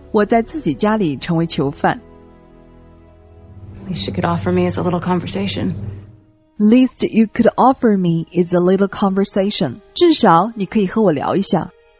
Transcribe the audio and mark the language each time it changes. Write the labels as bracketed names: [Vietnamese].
[Chinese] 我在自己家里成为囚犯。 [English] At least you could offer me is a little conversation. Least you could offer me is a little conversation. [Chinese] 至少你可以和我聊一下。